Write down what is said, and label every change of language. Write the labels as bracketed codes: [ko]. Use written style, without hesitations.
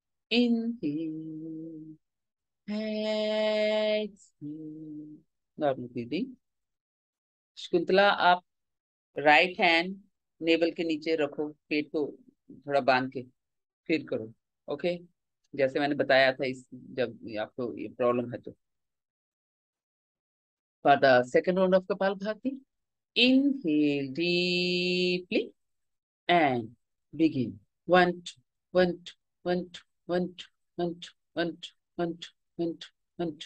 [en] Inhale. Exhale. Normal breathing. [hi] Shkuntala, aap right hand navel ke niche rakho, पेट को थोड़ा बांध के फिर करो. [en] Okay? [hi] जैसे मैंने बताया था इस जब आपको ये problem है तो. [en] For the second round of Kapalbhati. Inhale deeply and begin. One, two, one, two, one, two, one, two, one, two, one, two, one, two, one, two, one, two, one, two, one, two, one, two, one, two, one, two, one, two, one, two, one,